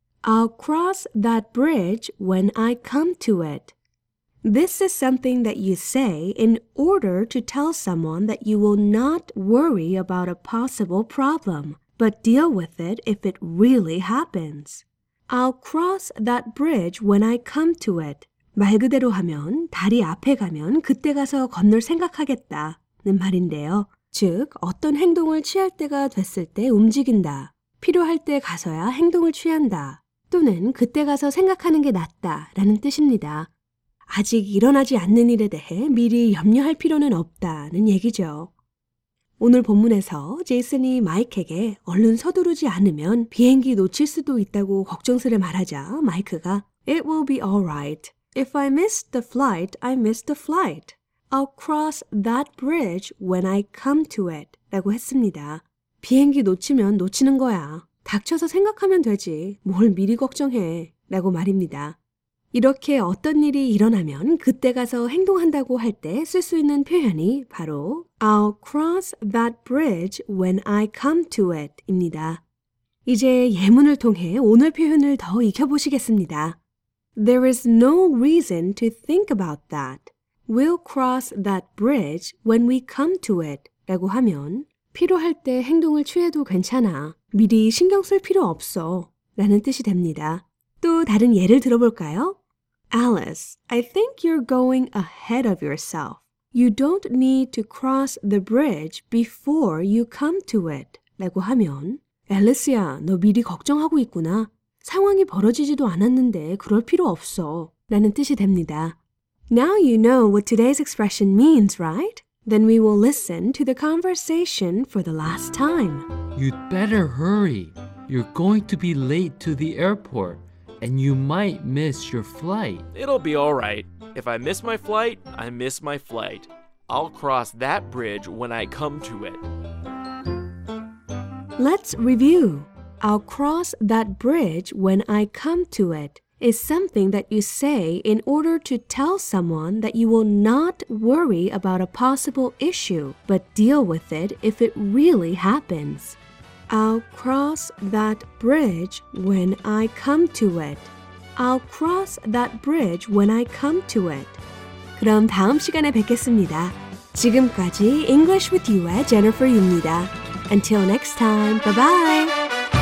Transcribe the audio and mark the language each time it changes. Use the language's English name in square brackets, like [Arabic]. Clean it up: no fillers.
[English] I'll cross that bridge when I come to it. This is something that you say in order to tell someone that you will not worry about a possible problem, but deal with it if it really happens. I'll cross that bridge when I come to it. [Korean] 말 그대로 하면 다리 앞에 가면 그때 가서 건널 생각하겠다는 말인데요. 즉, 어떤 행동을 취할 때가 됐을 때 움직인다. 필요할 때 가서야 행동을 취한다. 또는 그때 가서 생각하는 게 낫다라는 뜻입니다. 아직 일어나지 않는 일에 대해 미리 염려할 필요는 없다는 얘기죠. 오늘 본문에서 제이슨이 마이크에게 얼른 서두르지 않으면 비행기 놓칠 수도 있다고 걱정스레 말하자 마이크가 [English] It will be alright. If I miss the flight, I miss the flight. I'll cross that bridge when I come to it. [Korean] 라고 했습니다. 비행기 놓치면 놓치는 거야. 닥쳐서 생각하면 되지. 뭘 미리 걱정해. 라고 말입니다. 이렇게 어떤 일이 일어나면 그때 가서 행동한다고 할 때 쓸 수 있는 표현이 바로 [English] I'll cross that bridge when I come to it [Korean] 입니다. 이제 예문을 통해 오늘 표현을 더 익혀보시겠습니다. [English] There is no reason to think about that. We'll cross that bridge when we come to it [Korean] 라고 하면 필요할 때 행동을 취해도 괜찮아. 미리 신경 쓸 필요 없어 라는 뜻이 됩니다. 또 다른 예를 들어볼까요? [English] Alice, I think you're going ahead of yourself. You don't need to cross the bridge before you come to it. [Korean] 라고 하면 Alice야, 너 미리 걱정하고 있구나. 상황이 벌어지지도 않았는데 그럴 필요 없어. 라는 뜻이 됩니다. [English] Now you know what today's expression means, right? Then we will listen to the conversation for the last time. You'd better hurry. You're going to be late to the airport. And you might miss your flight. It'll be all right. If I miss my flight, I miss my flight. I'll cross that bridge when I come to it. Let's review. I'll cross that bridge when I come to it is something that you say in order to tell someone that you will not worry about a possible issue, but deal with it if it really happens. I'll cross that bridge when I come to it. I'll cross that bridge when I come to it. [Korean] 그럼 다음 시간에 뵙겠습니다. 지금까지 English with You의 Jennifer입니다. [English] Until next time, bye-bye!